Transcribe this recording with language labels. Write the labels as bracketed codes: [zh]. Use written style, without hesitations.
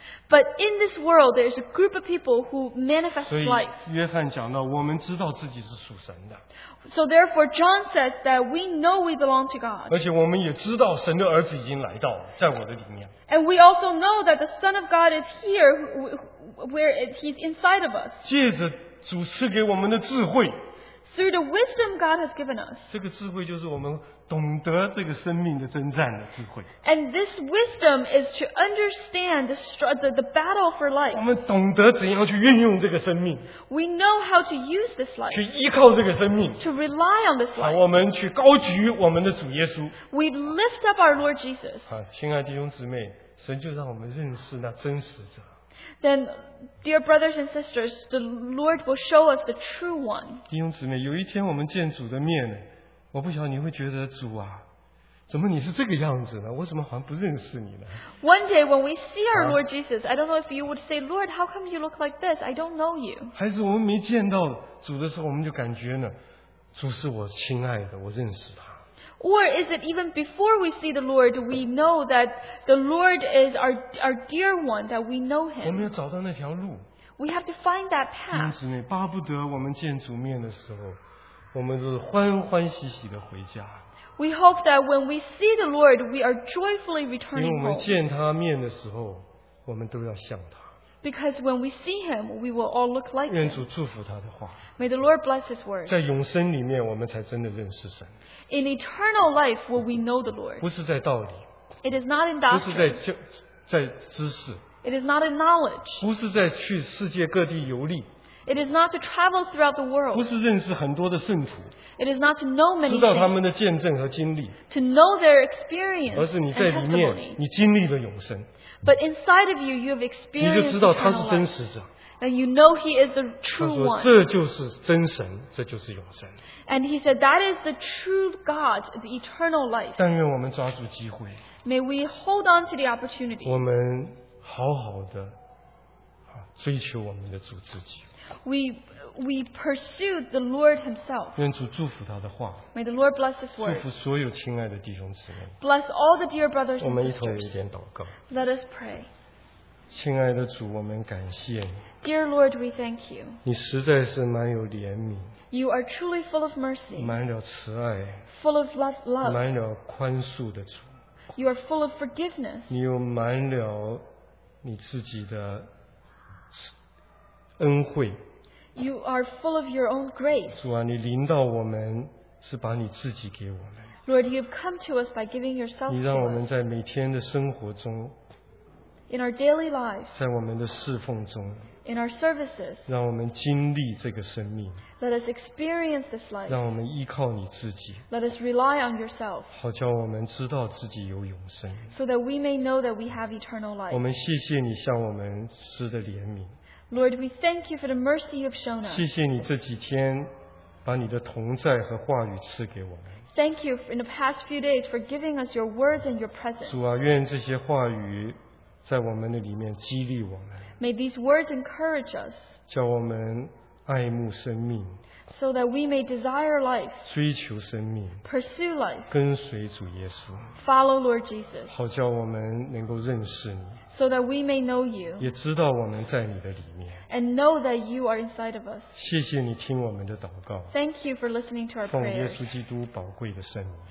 [en] But in this world there is a group of people who manifest life. [zh] 所以约翰讲到, 我们知道自己是属神的, [en] so therefore John says that we know we belong to God. [zh] 而且我们也知道神的儿子已经来到, [en] and we also know that the Son of God is here where he's inside of us. [zh] 借着主赐给我们的智慧, [en] through the wisdom God has given us. [zh] 这个智慧就是我们懂得这个生命的征战的智慧。 [en] And this wisdom is to understand the battle for life. [zh] 我们懂得怎样去运用这个生命。 [en] We know how to use this life. [zh] 去依靠这个生命。 [en] To rely on this life. [zh] 我们去高举我们的主耶稣。 [en] We lift up our Lord Jesus. [zh] 亲爱弟兄姊妹, 神就让我们认识那真实者。 [en] Then, dear brothers and sisters, the Lord will show us the true one. [zh] 弟兄姊妹,有一天我们见主的面, 我不晓得你会觉得主啊, 怎么你是这个样子呢? 我怎么好像不认识你呢? [en] One day when we see our Lord Jesus, I don't know if you would say, Lord, how come you look like this? I don't know you. [zh] 还是我们没见到主的时候, 我们就感觉呢, 主是我亲爱的, 我认识他。 [en] Or is it even before we see the Lord, we know that the Lord is our dear one, that we know him. [zh] 我们要找到那条路。 [en] We have to find that path. [zh] 因此呢, 巴不得我们见主面的时候, 我们就是欢欢喜喜地回家。 [en] We hope that when we see the Lord, we are joyfully returning home. [zh] 因为我们见他面的时候, 我们都要像他。 [en] Because when we see him, we will all look like him. [zh] 愿主祝福他的话。 [en] May the Lord bless his word. [zh] 在永生里面, 我们才真的认识神。 [en] In eternal life, will we know the Lord? [zh] 不是在道理, [en] it is not in doctrine. [zh] 不是在教, 在知识, [en] it is not in knowledge. [zh] 不是在去世界各地游历, [en] it is not to travel throughout the world. [zh] 不是认识很多的圣徒, [en] it is not to know many things. [zh] 知道他们的见证和经历, [en] to know their experience. [zh] 而是你在里面, [en] and testimony. [zh] 你经历了永生, [en] but inside of you, you have experienced [zh] 你就知道他是真实者, [en] and you know he is the true [zh] 他说, [en] one. [zh] 这就是真神, 这就是永生。 [en] And he said, that is the true God, the eternal life. [zh] 但愿我们抓住机会, [en] may we hold on to the opportunity. [zh] 我们好好的, 啊, 追求我们的主自己。 [en] We pursue the Lord himself. [zh] 愿主祝福他的话, [en] may the Lord bless his word. [zh] 祝福所有亲爱的弟兄姊妹, [en] bless all the dear brothers and sisters. Let us pray. [zh] 亲爱的主，我们感谢你。 [en] Dear Lord, we thank you. [zh] 你实在是蛮有怜悯。 [en] You are truly full of mercy. [zh] 满了慈爱。 [en] Full of love. [zh] 满了宽恕的主。 [en] You are full of forgiveness. [zh] 你又满了你自己的恩惠。 [en] You are full of your own grace. [zh] 主啊，你临到我们是把你自己给我们。 [en] Lord, you've come to us by giving yourself to us. [zh] 你让我们在每天的生活中。 [en] In our daily lives, [zh] 在我们的侍奉中, [en] in our services, [zh] 让我们经历这个生命, [en] let us experience this life, [zh] 让我们依靠你自己, [en] let us rely on yourself, [zh] 好叫我们知道自己有永生, [en] so that we may know that we have eternal life. [zh] 我们谢谢你向我们施的怜悯, [en] Lord, we thank you for the mercy you've shown us. [zh] 谢谢你这几天把你的同在和话语赐给我们。 [en] Thank you in the past few days for giving us your words and your presence. [zh] 主啊，愿这些话语在我们的里面激励我们。 [en] May these words encourage us. [zh] 叫我们爱慕生命。 [en] So that we may desire life. [zh] 追求生命。 [en] Pursue life. [zh] 跟随主耶稣。 [en] Follow Lord Jesus. [zh] 好叫我们能够认识你。 [en] So that we may know you. [zh] 也知道我们在你的里面。 [en] And know that you are inside of us. [zh] 谢谢你听我们的祷告。 [en] Thank you for listening to our prayers. [zh] 奉耶稣基督宝贵的圣名。